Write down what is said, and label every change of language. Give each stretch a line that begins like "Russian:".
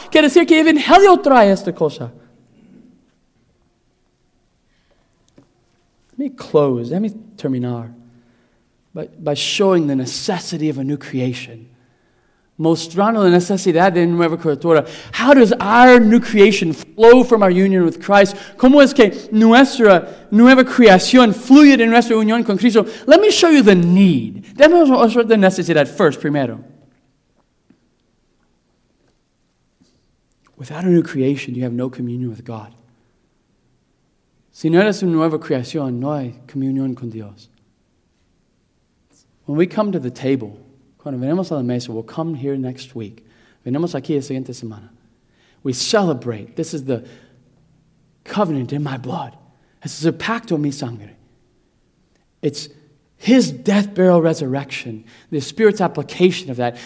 Spanish: Quiere decir que Evangelio trae esta cosa.
English: Let me terminar by showing the necessity of a new creation.
Spanish: Mostrando la necesidad de nueva criatura.
English: How does our new creation flow from our union with Christ?
Spanish: ¿Cómo es que nuestra nueva creación fluye de nuestra unión con Cristo?
English: Let me show you the need.
Spanish: Debemos mostrar la necesidad
English: first, primero. Without a new creation, you have no communion with God.
Spanish: Si no eres una nueva creación, no hay comunión con Dios.
English: When we come to the table,
Spanish: cuando venimos a la mesa,
English: we'll come here next week.
Spanish: Venimos aquí la siguiente semana.
English: We celebrate. This is the covenant in my blood. This is a
Spanish: pacto en mi sangre.
English: It's His death, burial, resurrection. The Spirit's application of that.